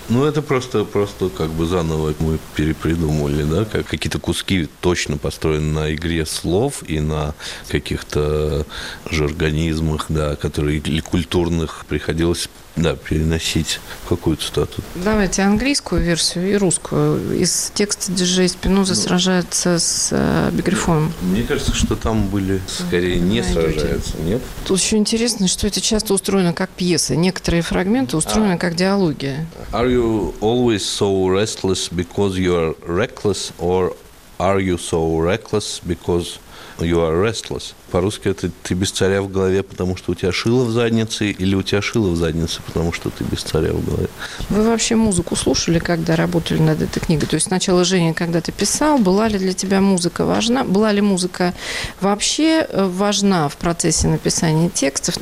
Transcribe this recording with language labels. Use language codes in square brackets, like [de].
[ru] Ну, это просто как бы заново мы перепридумывали, да, какие-то куски точно построены на игре слов и на каких-то жаргонизмах, да, которые или культурных приходилось да, переносить какую цитату. Давайте английскую версию и русскую. Из текста диджей Спиноза сражается с Бигрифоном. Мне кажется, что там были скорее не сражаются, нет? Тут еще интересно, что это часто устроено как пьеса. Некоторые фрагменты устроены как диалоги. [en] Are you always so restless because you are reckless, or are you so reckless because you are restless? [ru] По-русски это «ты без царя в голове, потому что у тебя шило в заднице» или «у тебя шило в заднице, потому что ты без царя в голове». Вы вообще музыку слушали, когда работали над этой книгой? То есть сначала, Женя, когда ты писал, была ли для тебя музыка важна? Была ли музыка вообще важна в процессе написания текстов?